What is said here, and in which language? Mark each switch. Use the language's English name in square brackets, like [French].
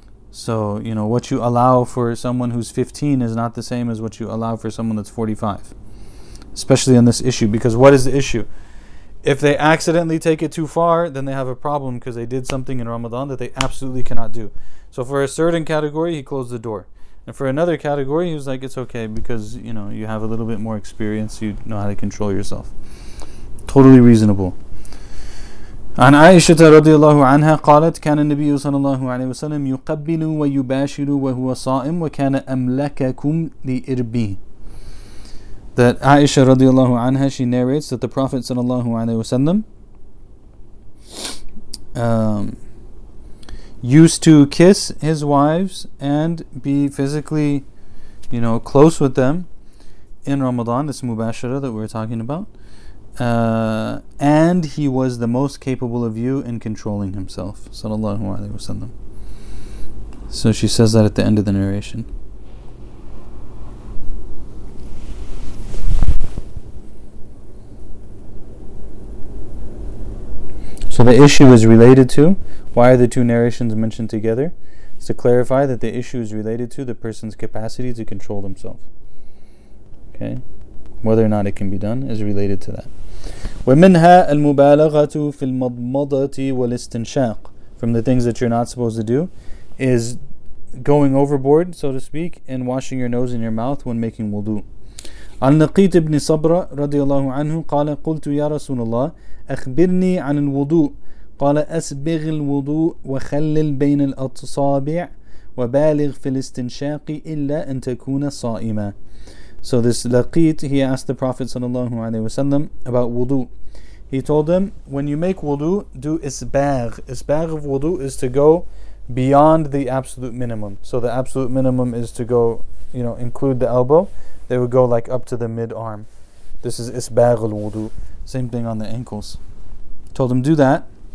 [English] So, you know, what you allow for someone who's 15 is not the same as what you allow for someone that's 45. Especially on this issue. Because what is the issue? If they accidentally take it too far, then they have a problem because they did something in Ramadan that they absolutely cannot do. So for a certain category, he closed the door. And for another category, he was like, it's okay because, you know, you have a little bit more experience. You know how to control yourself. Totally reasonable. [Arabic] عن عائشة رضي الله عنها قالت كان النبي صلى الله عليه وسلم يقبل ويباشر وهو صائم وكان أملككم لإربي. [English] That Aisha radiallahu anha, she narrates that the Prophet sallallahu alaihi wasallam used to kiss his wives and be physically, you know, close with them in Ramadan, this mubashara that we're talking about, and he was the most capable of you in controlling himself, sallallahu alaihi wasallam. So she says that at the end of the narration. So the issue is related to, why are the two narrations mentioned together? It's to clarify that the issue is related to the person's capacity to control themselves. Okay? Whether or not it can be done is related to that. [Arabic] وَمِنْهَا الْمُبَالَغَةُ فِي الْمَضْمَضَةِ وَالْإِسْتِنْشَاقِ. [English] From the things that you're not supposed to do is going overboard, so to speak, and washing your nose and your mouth when making wudu. [Arabic] النقيط بن صبرة رضي الله عنه قال قلت يا رسول الله أخبرني عن الوضوء قال أسبغ الوضوء وخلل بين الأصابع وبالغ في الاستنشاق إلا أن تكون صائما. [English] So this لقيط, he asked the Prophet صلى الله عليه وسلم about wudu. He told him, when you make wudu, do isbagh. Isbagh of wudu is to go beyond the absolute minimum. So the absolute minimum is to go, you know, include the elbow. They would go like up to the mid-arm. This is isbagh al-wudu. Same thing on the ankles. Told him, do that.